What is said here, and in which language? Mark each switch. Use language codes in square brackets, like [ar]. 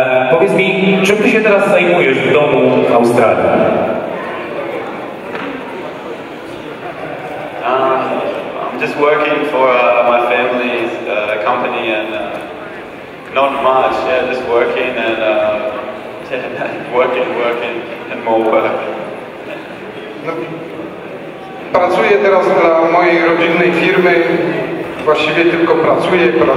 [pl] Powiedz mi, czym ty się teraz zajmujesz w domu w Australii? [en] I'm just working for my family's company and not much, yeah, just working and working and more work. [pl] No, pracuję teraz dla mojej rodzinnej firmy. Właściwie tylko pracuję.